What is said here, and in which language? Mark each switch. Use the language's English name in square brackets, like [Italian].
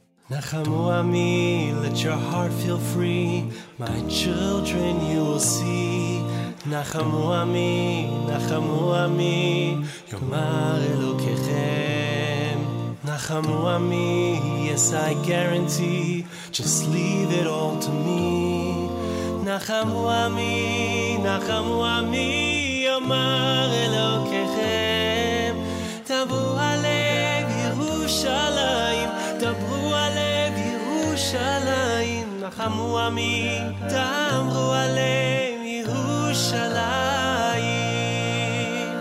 [Hebrew] נחמו עמי, [English] let your heart feel free, my children you will see. [Hebrew] נחמו עמי, נחמו עמי, יאמר אלוקיכם. נחמו עמי, [English] yes I guarantee, just leave it all to me. [Hebrew] נחמו עמי, נחמו עמי, יאמר אלוקיכם. דברו הלב ירושלים, דברו הלב ירושלים. נחמו עמי, דברו הלב ירושלים.